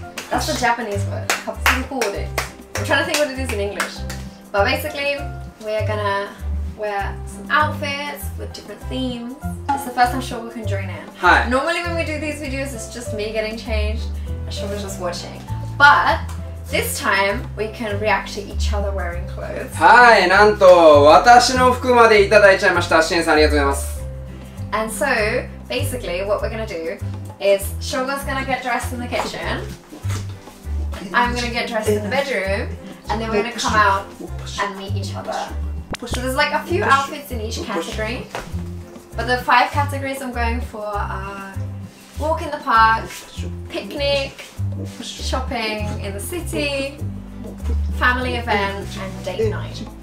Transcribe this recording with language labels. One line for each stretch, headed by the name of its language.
English: That's the Japanese word, couple coordination. I'm trying to think what it is in EnglishBut basically, we are gonna wear some outfits with different themes. It's the first time Shogo can join in. Hi. Normally when we do these videos, it's just me getting changed and Shogo's just watching. But this time, we can react to each other wearing clothes.
Japanese: Hi, なんと私の服までいただいちゃいました。シエンさん、ありがとうございます。
English: And so, basically, what we're gonna do is Shogo's gonna get dressed in the kitchen. I'm gonna get dressed in the bedroom. And then we're gonna come out and meet each other. So there's like a few outfits in each category. But the five categories I'm going for are walk in the park, picnic, shopping in the city, family event, and date night.